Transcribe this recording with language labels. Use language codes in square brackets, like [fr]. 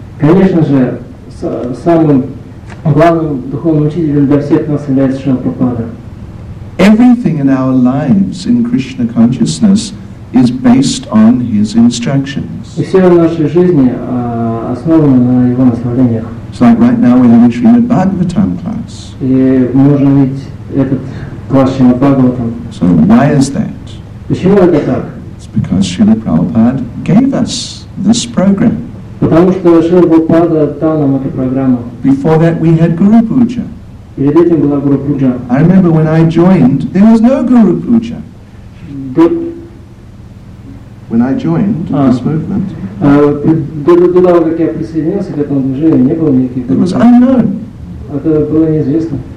[ru] Конечно же, самым главным духовным учителем для всех нас является Шрила Прабхупада. [en] Everything in our lives in Krishna consciousness is based on his instructions. [ru] И все в нашей жизни основано на его наставлениях. [en] It's like right now we're having Srimad Bhagavatam class. [ru] И мы можем иметь этот класс Шримад Бхагаватам. [en] So why is that? [ru] Почему это так? [en] It's because Srila Prabhupada gave us this program. [ru] Потому что Шрила Прабхупада дал нам эту программу. [en] Before that we had Guru Puja. [ru] Перед этим была Guru Puja. [en] I remember when I joined, there was no Guru Puja. When I joined this movement, it was unknown.